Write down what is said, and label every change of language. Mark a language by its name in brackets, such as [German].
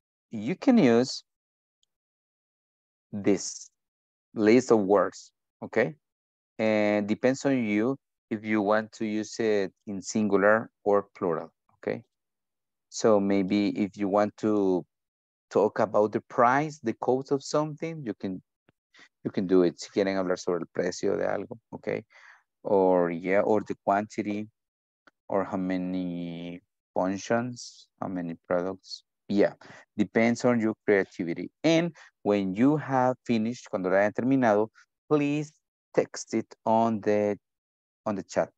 [English] You can use this list of words, okay? And depends on you if you want to use it in singular or plural, okay? So maybe if you want to talk about the price, the cost of something, you can do it. [Spanish] Si quieren hablar sobre el precio de algo, okay? [English] Or yeah, or the quantity, or how many functions, how many products. Yeah, depends on your creativity. And when you have finished, [Spanish] cuando la hayan terminado, [English] please text it on the chat.